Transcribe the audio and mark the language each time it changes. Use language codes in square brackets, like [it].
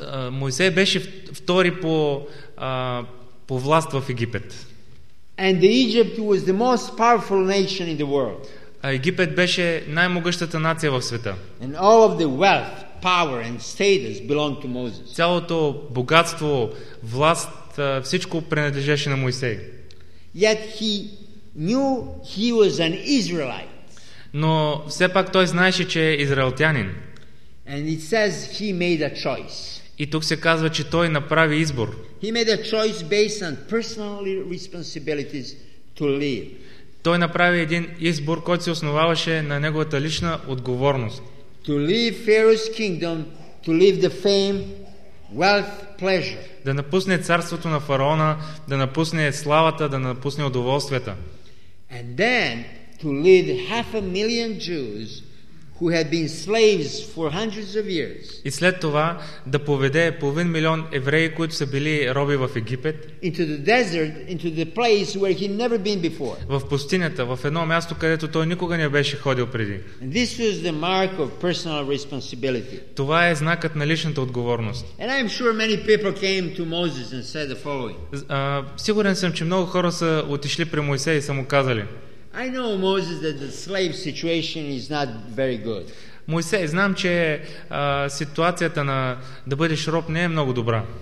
[bg] Моисей беше втори по власт в Египет. [en] And the Egypt was the most powerful nation in the world. [bg] Египет беше най-могъщата нация в света. [en] And all of the wealth, power and status belonged to Moses. [bg] Цялото богатство, власт, всичко принадлежеше на Моисей. [en] Yet he knew he was an Israelite. [bg] Но все пак той знаеше, че е израелтянин. [en] And it says he made a choice. [bg] И тук се казва, че той направи избор. [en] He made a choice based on personal responsibilities to live. [bg] Той направи един избор, който се основаваше на неговата лична отговорност. [en] To leave Pharaoh's kingdom to leave the fame, wealth, pleasure. [bg] Да напусне царството на фараона, да напусне славата, да напусне удоволствията. [en] And then to lead 500,000 Jews who had been slaves for hundreds of years. [bg] И след това да поведе 500,000 евреи, които са били роби в Египет. [en] Into the desert, into the place where he'd never been before. [bg] В пустинята, в едно място, където той никога не беше ходил преди. [en] This was the mark of personal responsibility. [bg] Това е знакът на личната отговорност. [en] And I'm sure many people came to Moses and said the following. [bg] Сигурен съм, че много хора са отишли при Мойсей и са му казали: [en] I know Moses that the slave situation is not very good. [bg] Мойсей, знам, че ситуацията на да бъдеш роб не е много добра.